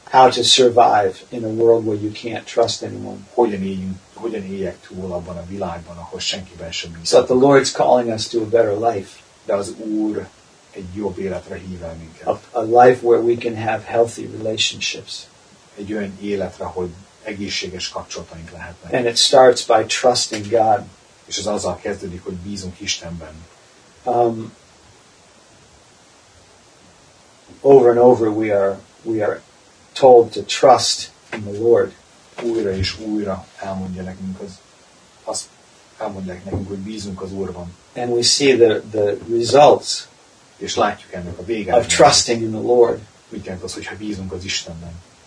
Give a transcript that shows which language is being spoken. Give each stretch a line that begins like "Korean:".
English: how to survive in a world where you can't trust anyone.
Hungarian: Hogyan éljek túl abban a világban, ahol senkiben sem bízom.
English: So the Lord's calling us to a better life.
Hungarian: De az Úr egy jobb életre hív el minket.
English: A life where we can have healthy relationships.
Hungarian: Egy olyan életre, hogy egészséges kapcsolataink lehetnek.
English: And it starts by trusting God.
Hungarian: És ez azzal kezdődik, hogy bízunk Istenben.
English: Over and over we are told to trust in the Lord.
Hungarian: Újra és újra elmondja nekünk, az elmondják nekünk, hogy bízunk az Úrban.
English: And we see the results.
Hungarian: És látjuk ennek a végét.
English: Of trusting in the Lord.
Hungarian: Mit jelent az, hogyha bízunk az Istenben?